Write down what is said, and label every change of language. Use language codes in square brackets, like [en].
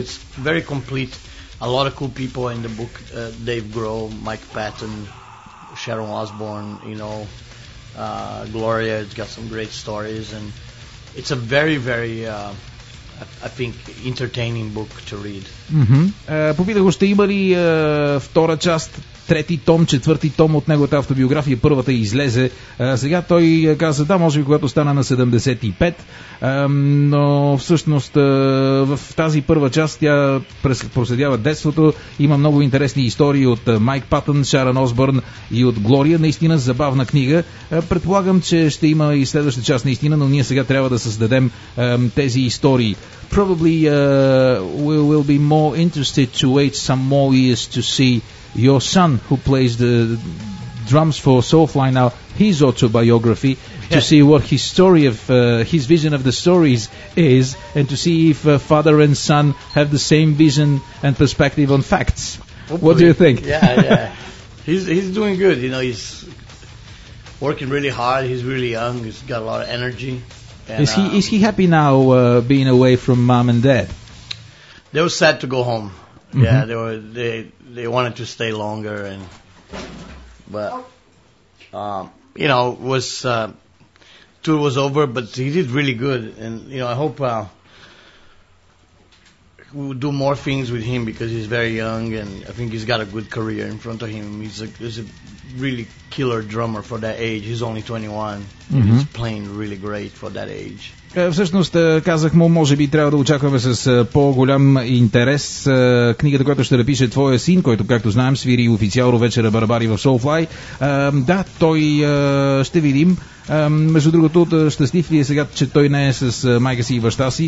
[en] it's very complete. A lot of cool people in the book: Dave Grohl, Mike Patton, Sharon Osbourne. You know, Gloria has got some great stories, and it's a very, very I think entertaining book to read. Mm-hmm. [bg] Попитах го, ще има ли втора част, трети том, четвърти том от неговата автобиография, първата излезе. Сега той каза, да, може би когато стана на 75, но всъщност в тази първа част тя проследява детството. Има много интересни истории от Майк Патън, Шарън Осбърн и от Глория. Наистина забавна книга. Предполагам, че ще има и следваща част наистина, но ние сега трябва да създадем тези истории. [en] Probably we will be more interested to wait some more years to see your son, who plays the drums for Soulfly now, his autobiography, to see what his story of his vision of the stories is, and to see if father and son have the same vision and perspective on facts. Hopefully. What do you think? Yeah. He's doing good. You know, he's working really hard. He's really young. He's got a lot of energy. And, is he happy now being away from mom and dad? They were sad to go home. Mm-hmm. Yeah, they wanted to stay longer, and but you know, it was tour was over, but he did really good. And, you know, I hope we'll do more things with him because he's very young and I think he's got a good career in front of him. He's a really killer drummer for that age. He's only 21. Mm-hmm. He's playing really great for that age. [bg] Всъщност казах му, може би трябва да очакваме с по-голям интерес книгата, която ще напише твоя син, който, както знаем, свири официално вечера барабари в Soulfly. Да, той ще видим. Между другото, щастлив ли е сега, че той не е с майка си и баща си?